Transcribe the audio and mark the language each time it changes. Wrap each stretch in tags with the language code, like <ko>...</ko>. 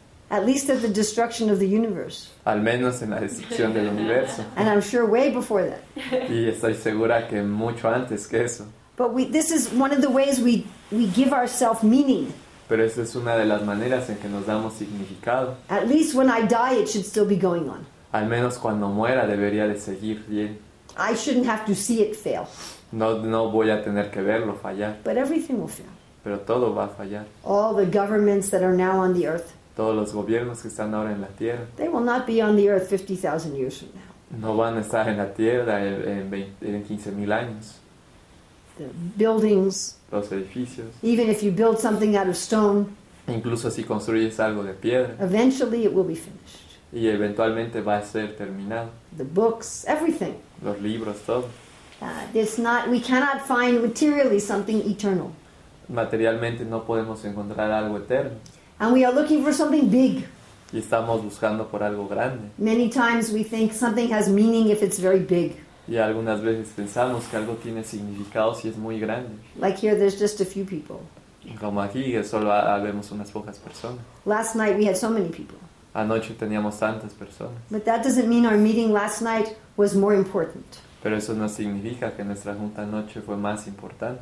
<en>At least at the destruction of the universe.</en> <es>Al menos en la destrucción del universo.</es> <en>And I'm sure way before that.</en> <es>Y estoy segura que mucho antes que eso.</es> <en>But this is one of the ways we give ourselves meaning.</en> <es>Pero esa es una de las maneras en que nos damos significado.</es> <en>At least when I die, it should still be going on.</en> <es>Al menos cuando muera debería de seguir bien.</es> <en>I shouldn't have to see it fail.</en> <es>No voy a tener que verlo fallar.</es> <en>But everything will fail.</en> <es>Pero todo va a fallar.</es> <en>All the governments that are now on the earth.</en> <es>Todos los gobiernos que están ahora en la tierra.</es> <en>They will not be on the earth 50,000 years from now.</en> <es>No van a estar en la tierra en 15,000 años.</es> <en>The buildings.</en> <es>Los edificios.</es> <en>Even if you build something out of stone.</en> <es>Incluso si construyes algo de piedra.</es> <en>Eventually it will be finished.</en> <es>Y eventualmente va a ser terminado.</es> <en>The books, everything.</en> <es>Los libros, todo.</es> <en>We cannot find materially something eternal.</en> <es>Materialmente no podemos encontrar algo eterno.</es> <en>And we are looking for something big.</en> <es>Y estamos buscando por algo grande.</es> <en>Many times we think something has meaning if it's very big.</en> <es>Y algunas veces pensamos que algo tiene significado si es muy grande.</es> <en>Like here, there's just a few people.</en> <es>Como aquí, solo vemos unas pocas personas.</es> <en>Last night we had so many people.</en> <es>Anoche teníamos tantas personas.</es> <en>But that doesn't mean our meeting last night was more important.</en> <es>Pero eso no significa que nuestra junta anoche fue más importante.</es>